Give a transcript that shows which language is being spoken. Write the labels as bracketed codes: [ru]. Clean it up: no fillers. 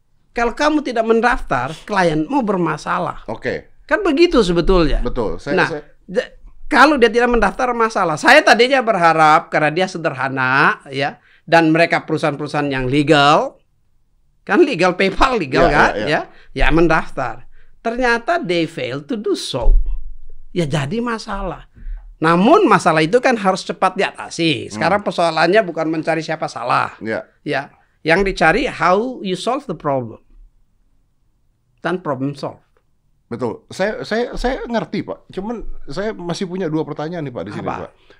[id] Kalau kamu tidak mendaftar, klienmu bermasalah. Oke. Kan begitu sebetulnya. Betul. Kalau dia tidak mendaftar, masalah. Saya tadinya berharap, karena dia sederhana, ya, dan mereka perusahaan-perusahaan yang legal, kan legal, PayPal legal, ya, mendaftar. Ternyata [en] they fail to do so. [id] Ya, jadi masalah. Namun masalah itu kan harus cepat diatasi. Sekarang persoalannya bukan mencari siapa salah. Ya. Yang dicari [en] how you solve the problem. [id] Dan [en] problem solve. [id] Betul. Saya ngerti, Pak. Cuman saya masih punya dua pertanyaan nih, Pak, di sini, Pak.